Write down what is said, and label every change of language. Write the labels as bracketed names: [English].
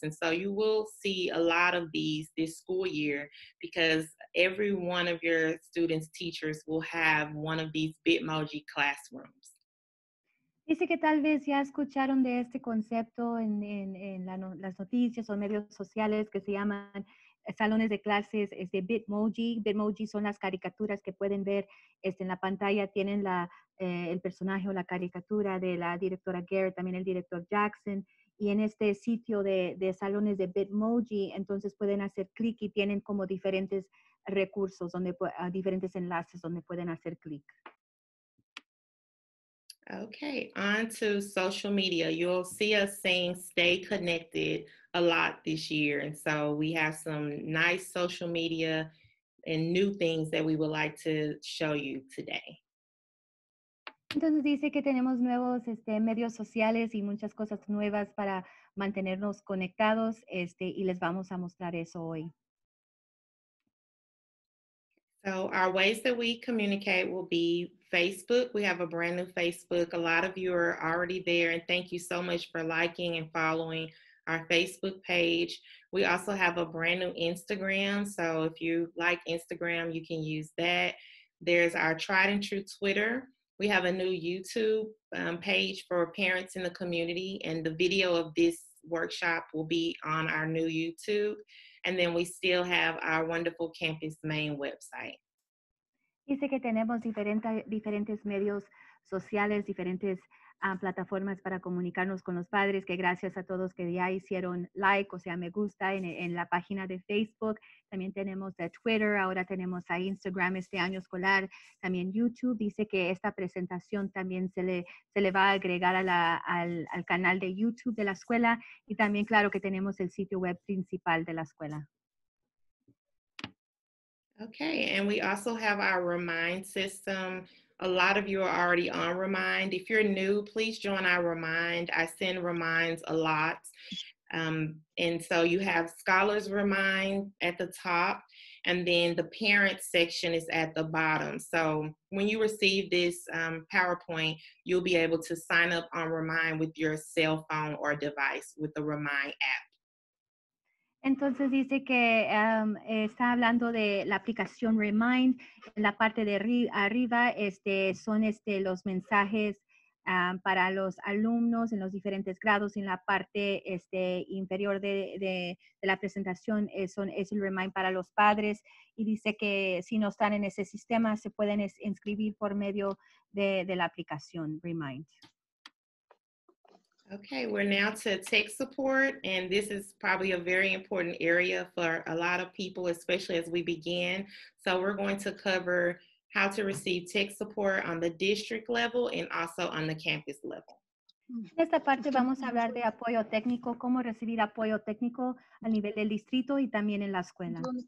[English] And so you will see a lot of these this school year, because every one of your students' teachers will have one of these Bitmoji classrooms. [Spanish] Dice que tal vez ya escucharon de este concepto en las noticias o medios sociales, que se llaman salones de clases de Bitmoji. Bitmoji son las caricaturas que pueden ver en la pantalla. Tienen el personaje o la caricatura de la directora Garrett, también el director Jackson. Y en este sitio de salones de Bitmoji, entonces pueden hacer clic y tienen como diferentes recursos, diferentes enlaces donde pueden hacer clic. [English] Okay, on to social media. You'll see us saying stay connected a lot this year. And so we have some nice social media and new things that we would like to show you today. [Spanish] Entonces dice que tenemos nuevos medios sociales y muchas cosas nuevas para mantenernos conectados y les vamos a mostrar eso hoy. [English] So our ways that we communicate will be Facebook. We have a brand new Facebook. A lot of you are already there, and thank you so much for liking and following our Facebook page. We also have a brand new Instagram. So if you like Instagram, you can use that. There's our tried and true Twitter. We have a new YouTube page for parents in the community, and the video of this workshop will be on our new YouTube. And then we still have our wonderful campus main website. [Spanish] Dice que tenemos diferentes medios sociales, diferentes plataformas para comunicarnos con los padres, que gracias a todos que ya hicieron like, o sea, me gusta en la página de Facebook. También tenemos de Twitter, ahora tenemos a Instagram este año escolar, también YouTube. Dice que esta presentación también se le va a agregar al canal de YouTube de la escuela, y también claro que tenemos el sitio web principal de la escuela. [English] Okay, and we also have our Remind system. A lot of you are already on Remind. If you're new, please join our Remind. I send reminds a lot. And so you have Scholars Remind at the top, and then the Parents section is at the bottom. So when you receive this PowerPoint, you'll be able to sign up on Remind with your cell phone or device with the Remind app. [Spanish] Entonces dice que está hablando de la aplicación Remind. En la parte de arriba son los mensajes para los alumnos en los diferentes grados. En la parte inferior de la presentación es el Remind para los padres. Y dice que si no están en ese sistema, se pueden inscribir por medio de la aplicación Remind. [English] Okay, we're now to tech support, and this is probably a very important area for a lot of people, especially as we begin. So we're going to cover how to receive tech support on the district level and also on the campus level. [Spanish] En esta parte vamos a hablar de apoyo técnico, cómo recibir apoyo técnico a nivel del distrito y también en la escuela.